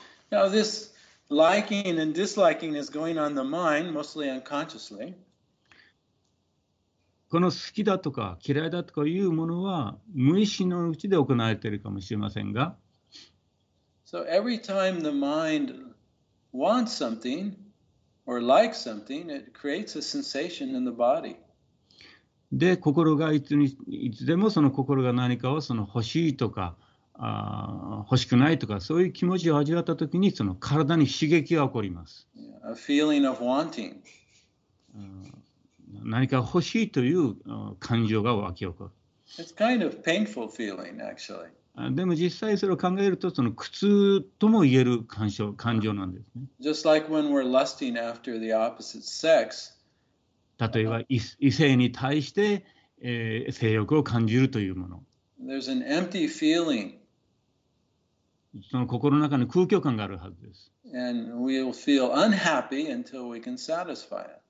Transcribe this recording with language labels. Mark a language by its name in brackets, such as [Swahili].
[English] Now this liking and disliking is going on the mind, mostly unconsciously. [Japanese] この好きだとか嫌いだとかいうものは無意識のうちで行われているかもしれませんが。 [English] So every time the mind wants something or likes something, it creates a sensation in the body. [Japanese] で、心がいつでもその心が何かをその欲しいとか、欲しくないとか、そういう気持ちを味わったときに、その体に刺激が起こります。 [English] A feeling of wanting. [Japanese] 何か欲しいという感情が湧き起こる。 [English] It's kind of painful feeling, actually. [Japanese] でも実際それを考えると、その苦痛とも言える感情なんですね。 [English] Just like when we're lusting after the opposite sex, [Japanese] 例えば異性に対して、性欲を感じるというもの。 [English] There's an empty feeling. [Japanese] その心の中に空虚感があるはずです。 [English] And we'll feel unhappy until we can satisfy it.